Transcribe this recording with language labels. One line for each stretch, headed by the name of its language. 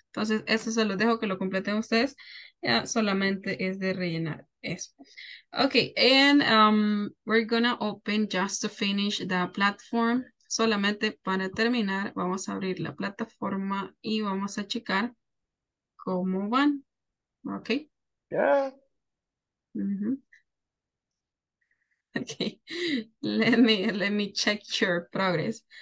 Spanish: Entonces, eso se lo dejo que lo completen ustedes. Yeah, solamente es de rellenar eso.
English: Okay, and we're gonna open just to finish the platform.
Spanish: Solamente para terminar, vamos a abrir la plataforma y vamos a checar cómo van. Ok. Ya.
English: Yeah. Uh-huh. Ok. Let me check your progress.